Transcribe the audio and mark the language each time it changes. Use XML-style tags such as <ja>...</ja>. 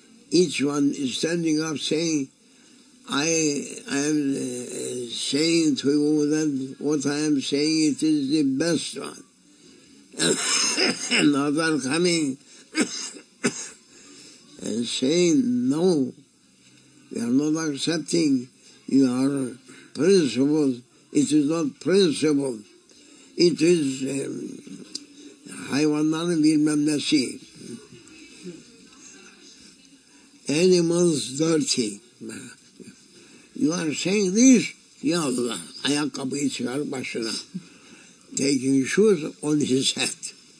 <en>Each one is standing up saying, I am saying to you that what I am saying, it is the best one. Another coming and saying, no, we are not accepting your principles. It is not principle. It is</en> <tr>Hayvanlar bilmem nesi.</tr> <en>Animals dirty. You are saying this?</en> <tr>Ya Allah, ayakkabıyı çıkar başına.</tr> <en>Taking shoes on his head.</en>